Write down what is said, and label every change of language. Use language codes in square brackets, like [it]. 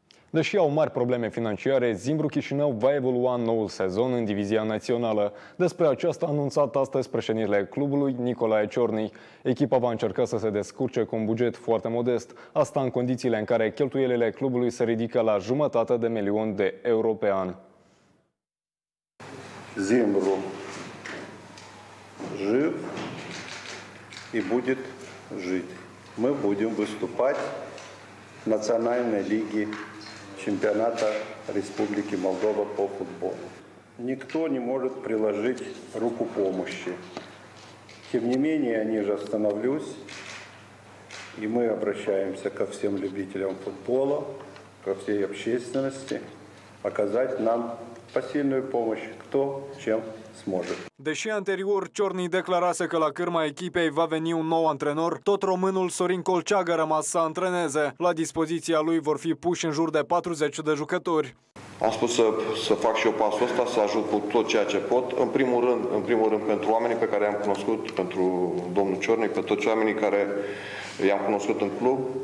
[ro] Deși au mari probleme financiare, Zimbru Chișinău va evolua în noul sezon în divizia națională. Despre aceasta a anunțat astăzi președintele clubului, Nicolae Ciornei. Echipa va încerca să se descurce cu un buget foarte modest, asta în condițiile în care cheltuielile clubului se ridică la jumătate de milion de euro pe an. [ru] Zimbru жив и будет жить. Мы будем выступать в национальной лиге чемпионата Республики Молдова по футболу. Никто не может приложить руку помощи. Тем не менее, я ниже остановлюсь, и мы обращаемся ко всем любителям футбола, ко всей общественности, оказать нам посильную помощь, кто чем сможет. [ro] Deși anterior Ciornei declarase că la cârma echipei va veni un nou antrenor, tot românul Sorin Colceagă a rămas să antreneze. La dispoziția lui vor fi puși în jur de 40 de jucători. Am spus să fac și eu pasul ăsta, să ajut cu tot ceea ce pot. În primul rând pentru oamenii pe care i-am cunoscut, pentru domnul Ciornei, pe toți oamenii care i-am cunoscut în club.